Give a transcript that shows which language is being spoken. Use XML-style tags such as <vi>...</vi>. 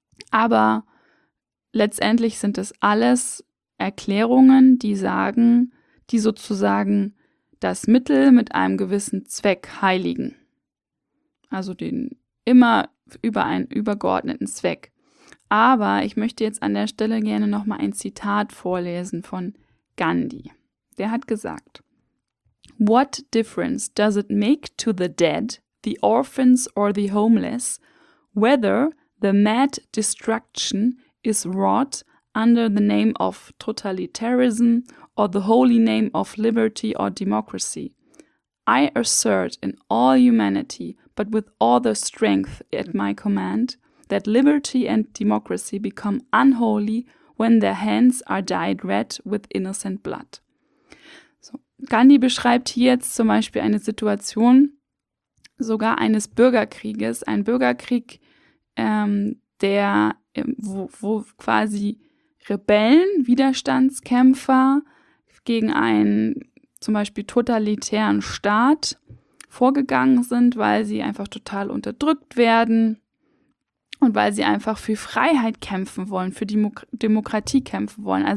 <de>Aber letztendlich sind es alles Erklärungen, die sagen, die sozusagen das Mittel mit einem gewissen Zweck heiligen. Also den immer über einen übergeordneten Zweck. Aber ich möchte jetzt an der Stelle gerne nochmal ein Zitat vorlesen von Gandhi. Der hat gesagt,</de> <en>What difference does it make to the dead, the orphans or the homeless, whether the mad destruction is wrought under the name of totalitarianism or the holy name of liberty or democracy? I assert in all humanity, but with all the strength at my command, that liberty and democracy become unholy when their hands are dyed red with innocent blood.</en> <de>So, Gandhi beschreibt hier jetzt zum Beispiel eine Situation sogar eines Bürgerkrieges, ein Bürgerkrieg, der wo quasi Rebellen, Widerstandskämpfer gegen einen zum Beispiel totalitären Staat vorgegangen sind, weil sie einfach total unterdrückt werden und weil sie einfach für Freiheit kämpfen wollen, für die Demokratie kämpfen wollen.</de>